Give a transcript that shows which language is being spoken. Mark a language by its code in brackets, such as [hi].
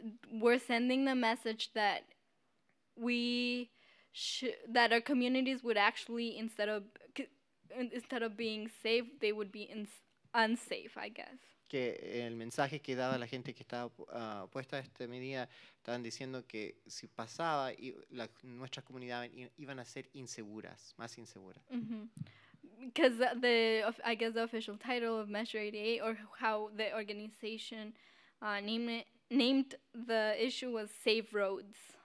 [en] We're sending the message that that our communities would actually, instead of being safe, they would be unsafe, I guess. [es] Que el mensaje que daba la gente que estaba opuesta a esta medida estaban diciendo que si pasaba, nuestras comunidades iban a ser inseguras, más inseguras. Mm-hmm. [en] Because the official title of Measure 88, or how the organization named the issue, was Safe Roads.